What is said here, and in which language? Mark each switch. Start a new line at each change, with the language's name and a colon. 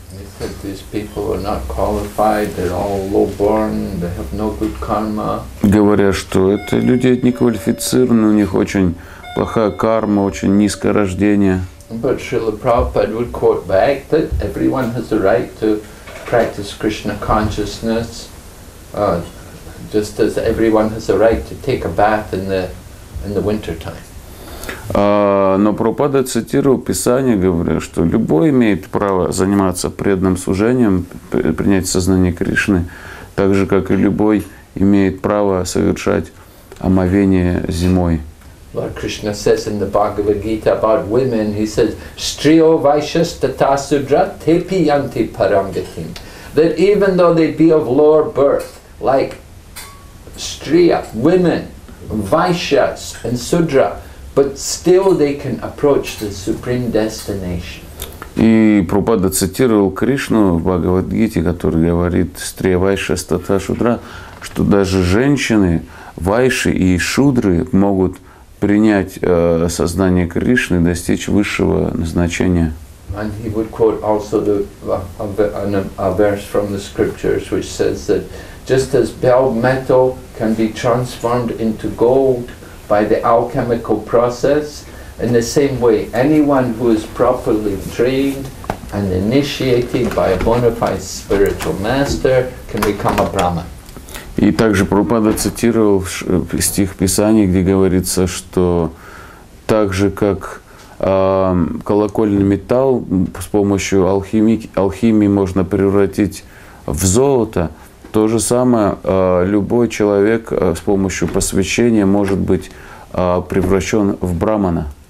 English: They said these people are not qualified, they're all low-born, they have no good karma.
Russian: Говоря, что это люди неквалифицированы, у них очень плохая карма, очень низкое рождение.
English: But Srila Prabhupada would quote back that everyone has the right to practice Krishna consciousness, just as everyone has a right to take a bath in the winter time.
Russian: Но Прабхупада цитировал Писание, говоря, что любой имеет право заниматься преданным служением, принять сознание Кришны, так же, как и любой имеет право совершать омовение зимой.
English: Lord Krishna says in the Bhagavad Gita about women, he says,
Sanskrit: Striyo vaishas tata sudra tepi yanti paramgatim.
English: That even though they be of lower birth, like Striya, women, vaishas and sudra, but still they can approach the supreme destination.
Russian: И Прабхупада цитировал Кришну в Бхагавад-гите, который говорит
Sanskrit: «Стрия вайша стата шудра»,
Russian: что даже женщины, вайши и шудры могут принять сознание Кришны и достичь высшего назначения.
English: And he would quote also the, a verse from the scriptures, which says that just as bell metal can be transformed into gold by the alchemical process, in the same way, anyone who is properly trained and initiated by a bona fide spiritual master can become a Brahman.
Russian: И также Прабхупада цитировал стих Писания, где говорится, что так же, как колокольный металл с помощью алхимии можно превратить в золото, то же самое любой человек с помощью посвящения может быть превращен в брахмана.